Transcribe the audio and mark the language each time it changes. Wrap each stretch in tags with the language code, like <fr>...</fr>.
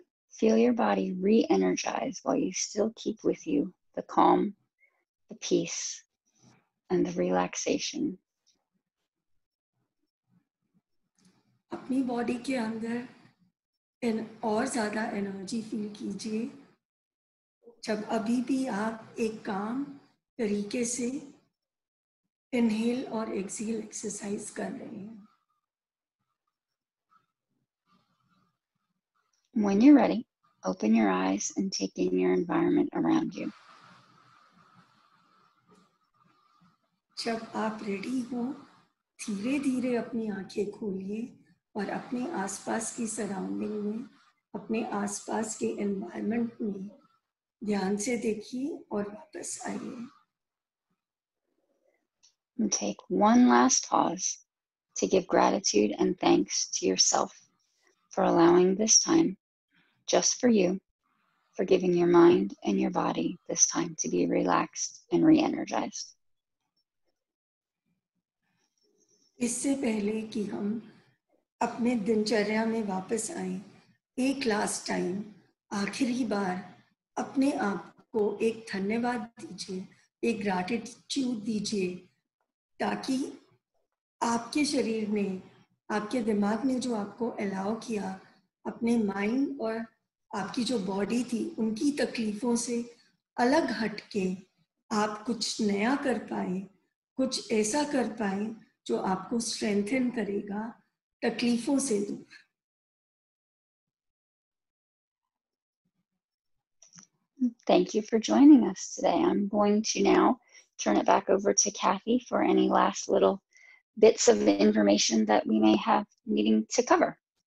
<en>Feel your body re-energize while you still keep with you the calm, the peace, and the relaxation.</en> <hi>अपनी body के अंदर और ज्यादा energy feel कीजिए जब अभी भी आप एक काम तरीके से इनहेल और एक्सहेल एक्सरसाइज कर रहे हैं.</hi> <en>When you're ready, open your eyes and take in your environment around you.</en> <hi>जब आप रेडी हो, धीरे-धीरे अपनी आंखें खोलिए और अपने आसपास की सराउंडिंग में, अपने आसपास के एनवायरनमेंट में ध्यान से देखिए और वापस आइए.</hi> <en>Take one last pause to give gratitude and thanks to yourself for allowing this time. Just for you, for giving your mind and your body this time to be relaxed and re-energized.</en> <hi>इससे पहले कि हम अपने दिनचर्या में वापस आएं, एक लास्ट टाइम, आखिरी बार, अपने आप को एक धन्यवाद दीजिए, एक gratitude दीजिए, ताकि आपके शरीर ने, आपके दिमाग ने जो आपको allow किया, अपने mind और आपकी जो बॉडी थी उनकी तकलीफों से अलग हटके आप कुछ नया कर पाए, कुछ ऐसा कर पाए जो आपको स्ट्रेंथन करेगा तकलीफों से दूर.</hi> <en>Thank you for joining us today. I'm going to now turn it back over to Kathy for any last little bits of information that we may have needing to cover.</en>